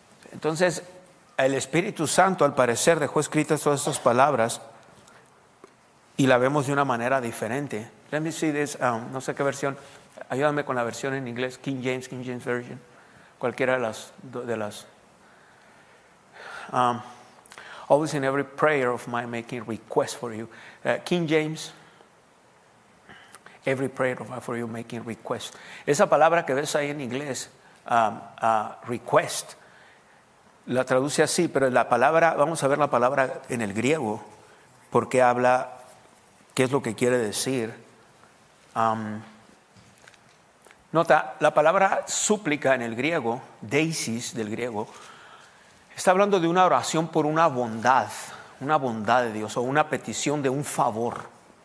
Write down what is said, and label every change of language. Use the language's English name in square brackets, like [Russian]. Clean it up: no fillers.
[Spanish] Entonces, el Espíritu Santo, al parecer, dejó escritas todas estas palabras y la vemos de una manera diferente. [English] Let me see this, [Spanish] no sé qué versión, ayúdame con la versión en inglés, King James Version, cualquiera de las. [English] Always in every prayer of mine making request for you. King James, every prayer of mine for you making request. [Spanish] Esa palabra que ves ahí en inglés, request, la traduce así, pero la palabra, vamos a ver la palabra en el griego, porque habla, qué es lo que quiere decir. Nota, la palabra súplica en el griego, deisis del griego, está hablando de una oración por una bondad de Dios, o una petición de un favor.